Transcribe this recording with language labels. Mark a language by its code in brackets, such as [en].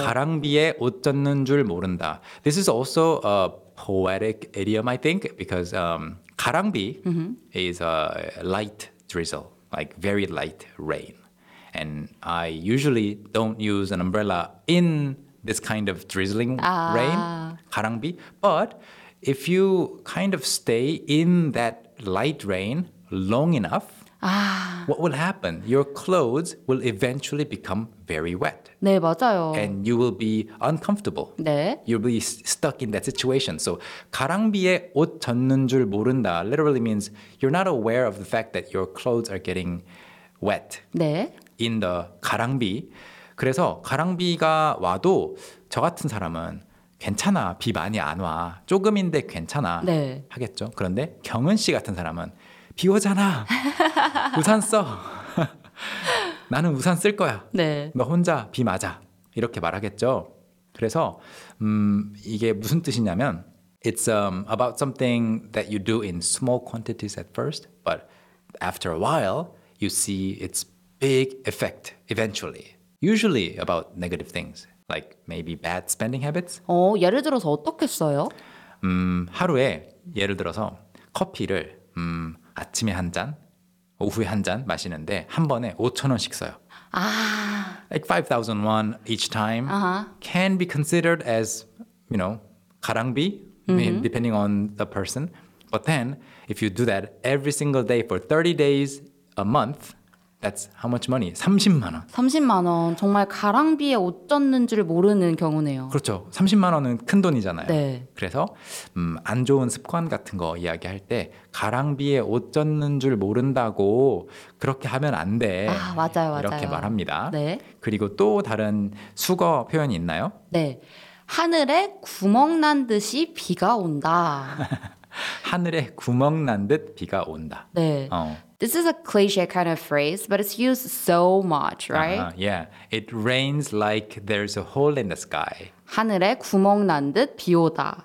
[ko] 가랑비에 옷 젖는 줄 모른다. [en] This is also a poetic idiom, I think, because 가랑비 mm-hmm. is a light drizzle, like very light rain. And I usually don't use an umbrella in this kind of drizzling rain, 가랑비. But if you kind of stay in that light rain long enough, what will happen? Your clothes will eventually become very wet. [ko] 네, 맞아요. [en] And you will be uncomfortable. [ko] 네. [en] You'll be stuck in that situation. So [ko] 가랑비에 옷 젖는 줄 모른다 [en] literally means you're not aware of the fact that your clothes are getting wet. [ko] 네. [en] In the 가랑비. [ko] 그래서 가랑비가 와도 저 같은 사람은 괜찮아, 비 많이 안 와. 조금인데 괜찮아 네. 하겠죠. 그런데 경은 씨 같은 사람은 비 오잖아, 우산 써. 나는 우산 쓸 거야. 네. 너 혼자 비 맞아. 이렇게 말하겠죠. 그래서 이게 무슨 뜻이냐면 [en] It's about something that you do in small quantities at first, but after a while, you see it's big effect eventually. Usually about negative things, like maybe bad spending habits. [ko] 예를 들어서 어떻겠어요? 하루에 예를 들어서 커피를 아침에 한 잔, 오후에 한 잔 마시는데 한 번에 5천 원씩 써요. 아. [en] Like 5,000 won each time uh-huh. can be considered as, you know, 가랑비 mm-hmm. depending on the person. But then if you do that every single day for 30 days a month, That's how much money? [ko] 30만 원. 30만 원. 정말 가랑비에 옷 젖는 줄 모르는 경우네요. 그렇죠. 30만 원은 큰 돈이잖아요. 네. 그래서 안 좋은 습관 같은 거 이야기할 때 가랑비에 옷 젖는 줄 모른다고 그렇게 하면 안 돼. 아, 맞아요. 맞아요. 이렇게 말합니다. 네. 그리고 또 다른 수거 표현이 있나요? 네. 하늘에 구멍 난 듯이 비가 온다. 하늘에 구멍 난 듯 비가 온다. 네. 어. [en] This is a cliche kind of phrase, but it's used so much, right? Uh-huh. Yeah. It rains like there's a hole in the sky. [ko] 하늘에 구멍 난 듯 비 오다.